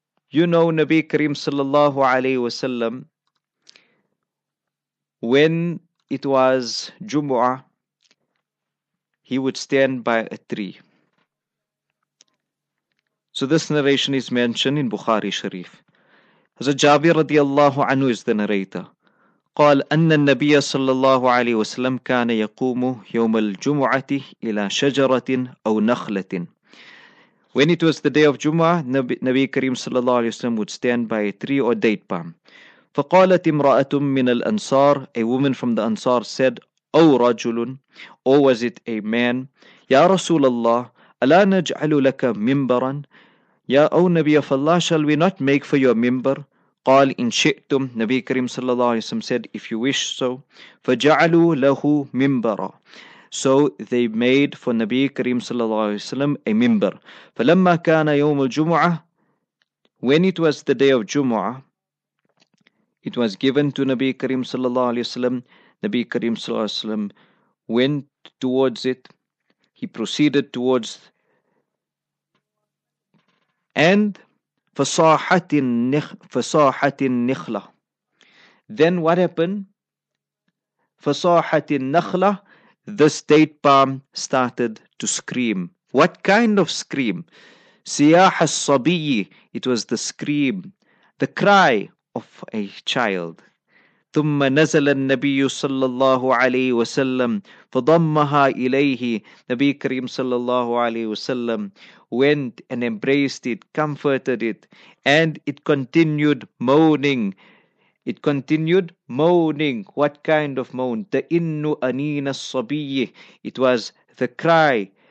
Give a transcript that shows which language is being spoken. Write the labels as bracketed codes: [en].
[en] You know, Nabi Kareem sallallahu alayhi wasallam, when it was Jumu'ah, he would stand by a tree. So this narration is mentioned in Bukhari Sharif. Hazrat Jabir radiallahu anhu is the narrator. [ar] قال أن النبي صلى الله عليه وسلم كان يقوم يوم الجمعة إلى شجرة أو نخلة. [en] When it was the day of Jumu'ah, Nabi Kareem [ar] صلى الله عليه وسلم [en] would stand by a tree or date palm. [ar] فقالت امرأة من الأنصار, [en] a woman from the Ansar said, [ar] أو رجل, [en] or was it a man, [ar] يا رسول الله, ألا نجعل لك منبرا, يا [en] Ya O Nabi of Allah, shall we not make for you a minbar? [ar] Qal in shi'tum. [en] Nabi Karim sallallahu alayhi wa sallam said, if you wish so. [ar] Faja'alu lahu mimbara. [en] So they made for Nabi Karim sallallahu alayhi wa sallam a minbar. [ar] Falamma kana yawm al-jum'ah, [en] when it was the day of Jumu'ah, it was given to Nabi Karim sallallahu alayhi wa sallam. Nabi Karim sallallahu alayhi wa sallam went towards it. He proceeded towards and [ar] fasahatin nikhla. [en] Then what happened? [ar] Fasahatin nakhla, [en] this date palm started to scream. What kind of scream? [ar] Siyah as-sabiyyi, [en] it was the scream, the cry of a child. [ar] ثم نزل النبي صلى الله عليه وسلم فضمها إليه. [en] Nabi Kareem [ar] صلى الله عليه وسلم [en] went and embraced it, comforted it, and it continued moaning. It continued moaning. What kind of moan? [ar] تَإِنُّ أَنِينَ الصَّبِيِّ. [en] It was the cry.